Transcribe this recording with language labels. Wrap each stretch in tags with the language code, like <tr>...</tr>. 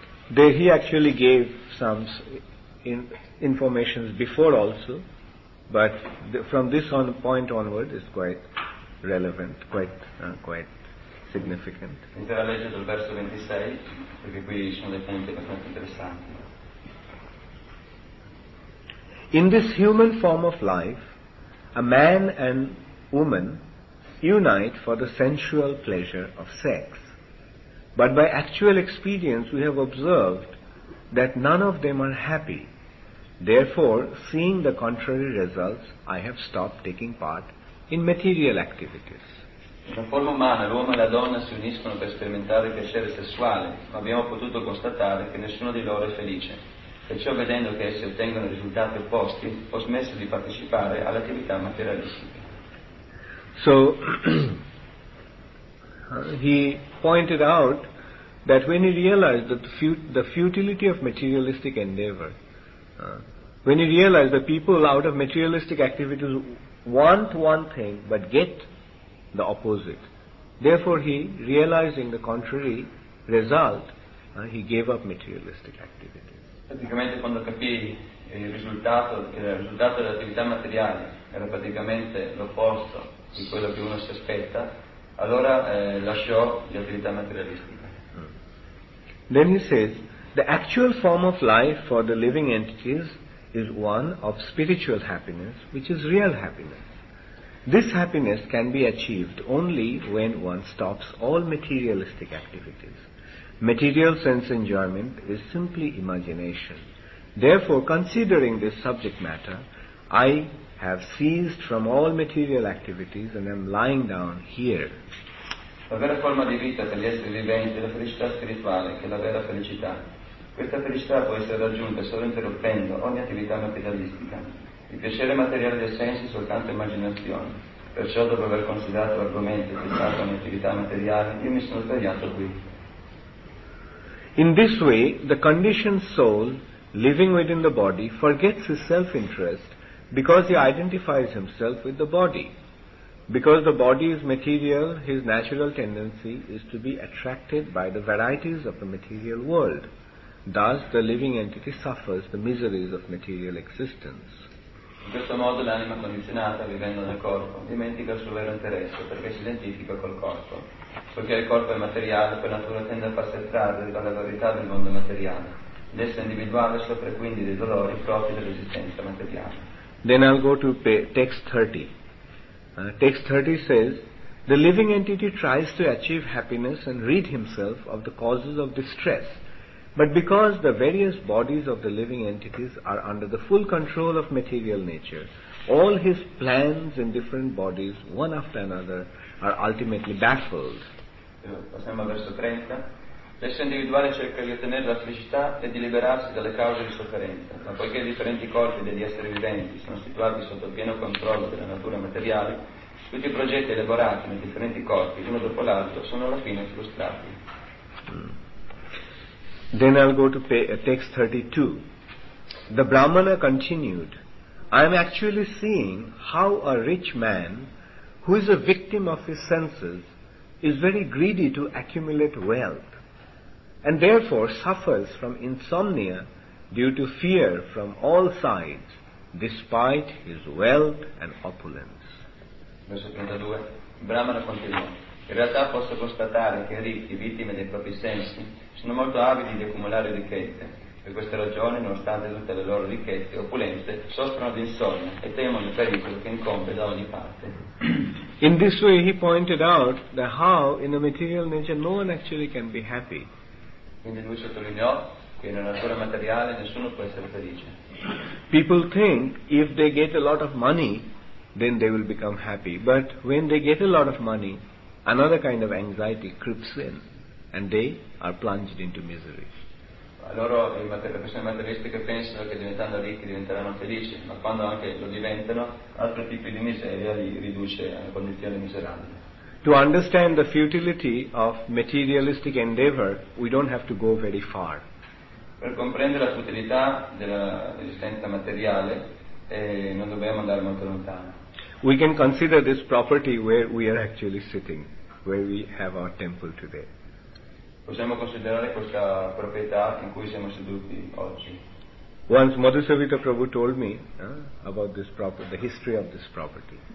<en>There he actually gave some information before also, but from this on point onward is quite relevant, quite significant.</en> <it>Intera legge dal verso 26, perché qui sono dei punti abbastanza interessanti.</it> <en>In this human form of life, a man and woman unite for the sensual pleasure of sex. But by actual experience, we have observed that none of them are happy. Therefore, seeing the contrary results, I have stopped taking part in material activities.</en> <it>In forma umana, l'uomo e la donna si uniscono per sperimentare il piacere sessuale, ma abbiamo potuto constatare che nessuno di loro è felice. Perciò, vedendo che essi ottengono risultati opposti, ho smesso di partecipare alle attività materialistiche.</it> <en>So, he pointed out that when he realized that the futility of materialistic endeavor, when he realized that people out of materialistic activities want one thing but get the opposite. Therefore, he, realizing the contrary result, he gave up materialistic activities.</en> <it>Praticamente, quando capì il risultato dell'attività materiale era praticamente l'opposto di quello che uno si aspetta, allora lasciò l'attività materialistica.</it> <en>Then he says, the actual form of life for the living entities is one of spiritual happiness, which is real happiness. This happiness can be achieved only when one stops all materialistic activities. Material sense enjoyment is simply imagination. Therefore, considering this subject matter, I have ceased from all material activities and am lying down here.</en> <it>La vera forma di vita per gli esseri viventi è la felicità spirituale, che è la vera felicità. Questa felicità può essere raggiunta solo interrompendo ogni attività materialistica. Il piacere materiale dei sensi è soltanto immaginazione. Perciò, dopo aver considerato l'argomento e pensato all'attività materiale, io mi sono svegliato qui.</it> <en>In this way, the conditioned soul, living within the body, forgets his self-interest because he identifies himself with the body. Because the body is material, his natural tendency is to be attracted by the varieties of the material world. Thus, the living entity suffers the miseries of material existence.</en> <it>In questo modo l'anima condizionata, vivendo nel corpo, dimentica il suo vero interesse perché si identifica col corpo. Poiché il corpo è materiale, per natura tende a farsi attrarre dalla varietà del mondo materiale. L'essere individuale soffre quindi dei dolori propri dell'esistenza materiale.</it> <en>Then I'll go to text 30. Text 30 says, the living entity tries to achieve happiness and rid himself of the causes of distress. But because the various bodies of the living entities are under the full control of material nature, all his plans in different bodies, one after another, are ultimately baffled.</en> <it>Passiamo al verso 30. L'essere individuale cerca di ottenere la felicità e di liberarsi dalle cause di sofferenza, ma poiché i differenti corpi degli esseri viventi sono situati sotto il pieno controllo della natura materiale, tutti i progetti elaborati nei differenti corpi, l'uno dopo l'altro, sono alla fine frustrati.</it> <en>Then I'll go to text 32. The Brahmana continued, I am actually seeing how a rich man, who is a victim of his senses, is very greedy to accumulate wealth, and therefore suffers from insomnia due to fear from all sides, despite his wealth and opulence.</en> <it>Verso 32. Brahmana continuò. In realtà posso constatare che i ricchi, vittime dei propri sensi, sono molto avidi di accumulare ricchezze. Per questa ragione, nonostante tutte le loro ricchezze e opulenze, soffrono di insonnia e temono il pericolo che incombe da ogni parte.</it> <en>In this way he pointed out that how in a material nature no one actually can be happy.</en> <it>Quindi lui sottolineò che nella natura materiale nessuno può essere felice.</it> <en>People think if they get a lot of money, then they will become happy. But when they get a lot of money, another kind of anxiety creeps in and they are plunged into misery.</en> <it>Loro, le persone materialistiche, pensano che diventando ricchi diventeranno felici, ma quando anche lo diventano, altri tipi di miseria li riduce a una condizione miserabile.</it> <en>To understand the futility of materialistic endeavor, we don't have to go very far.</en> <it>Per comprendere la futilità dell'esistenza materiale, non dobbiamo andare molto lontano.</it> <en>We can consider this property where we are actually sitting, where we have our temple today.</en> <it>Possiamo considerare questa proprietà in cui siamo seduti oggi.</it> <en>Once Madhusavita Prabhu told me about this property, the history of this property.</en>